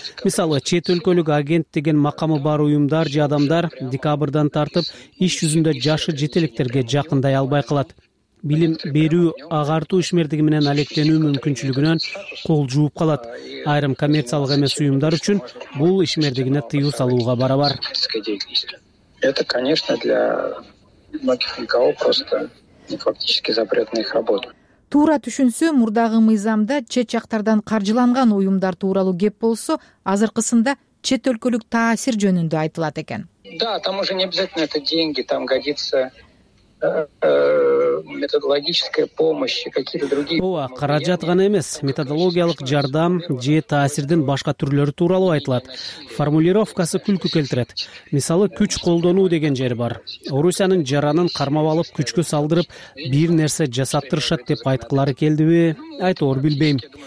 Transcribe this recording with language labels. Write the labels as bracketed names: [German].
[Kyrgyz] Мисалы, чет өлкөлүк агент деген макамы бар уюмдар же адамдар декабрдан тартып иш жүзүндө жашы жетеликтерге жакындай албай калат. Билим берүү агартуу ишмердиги менен алектенүү мүмкүнчүлүгүнөн кол жууп калат. Айрым коммерциялык эмес уюмдар үчүн бул ишмердигине тыюу салууга барабар. [Russian] Это, конечно, для многих НКО просто фактически запретна их работа. [Kyrgyz] Туура түшүнсө, мурдагы мыйзамда чет жактардан каржыланган уюмдар тууралуу кеп болсо, азыркысында чет өлкөлүк таасир жөнүндө айтылат экен. [Russian] Да, там уже не обязательно это деньги, там годится методологическая помощь, какие-то другие. [Kyrgyz] Ооба, каражат гана эмес, методологиялык жардам же таасирдин башка түрлөрү тууралуу айтылат. Формулировкасы күлкү келтирет. Мисалы, күч колдонуу деген жер бар. Орусиянын жаранын кармап алып, күчкө салдырып, бир нерсе жасаттырышат деп айткылары келдиби? Айтор билбейм.